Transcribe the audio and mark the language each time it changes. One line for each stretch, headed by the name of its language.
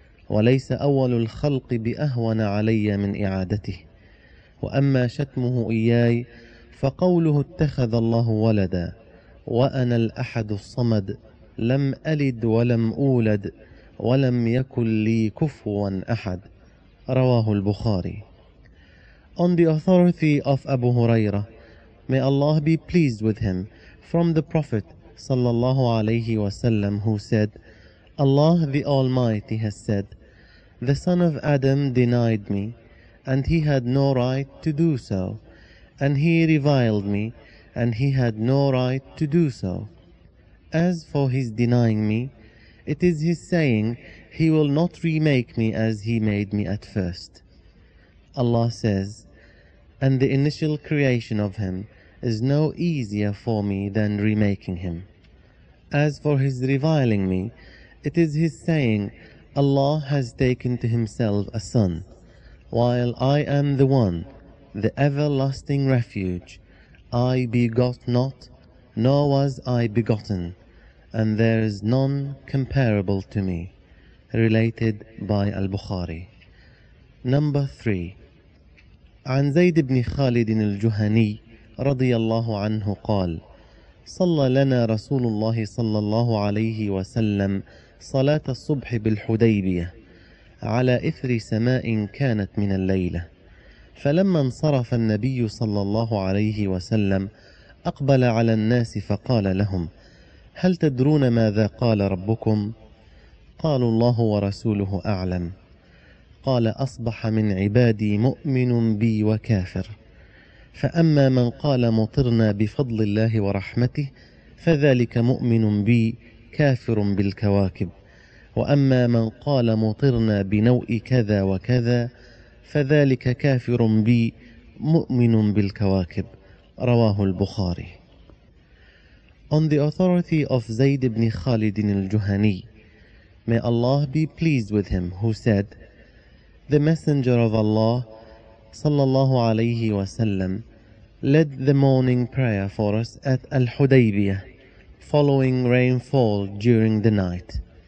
Arabic: وليس أول الخلق بأهون علي من إعادته وأما شتمه إياي فقوله اتخذ الله ولدا وأنا الأحد الصمد لم ألد ولم أولد ولم يكن لي كفوا أحد رواه البخاري.
English: On the authority of Abu Huraira, may Allah be pleased with him, from the Prophet sallallahu alayhi wa sallam, who said, Allah the Almighty has said, the son of Adam denied me, and he had no right to do so, and he reviled me, and he had no right to do so. As for his denying me, it is his saying, he will not remake me as he made me at first. Allah says, and the initial creation of him is no easier for me than remaking him. As for his reviling me, it is his saying, Allah has taken to himself a son, while I am the one, the everlasting refuge. I begot not, nor was I begotten, and there is none comparable to me. Related by Al-Bukhari. Number 3.
Arabic: عن زيد بن خالد الجهني رضي الله عنه قال صلى لنا رسول الله صلى الله عليه وسلم صلاة الصبح بالحديبية على إثر سماء كانت من الليلة فلما انصرف النبي صلى الله عليه وسلم أقبل على الناس فقال لهم هل تدرون ماذا قال ربكم؟ قالوا الله ورسوله أعلم. قال أصبح من عبادي مؤمن بي وكافر فأما من قال مطرنا بفضل الله ورحمته فذلك مؤمن بي كافر بالكواكب وأما من قال مطرنا بنوء كذا وكذا فذلك كافر بي مؤمن بالكواكب. رواه البخاري.
English: On the authority of Zayd ibn Khalid al-Juhani, may Allah be pleased with him, who said, The Messenger of Allah, sallallahu alayhi wa sallam, led the morning prayer for us at Al-Hudaybiyah, following rainfall during the night.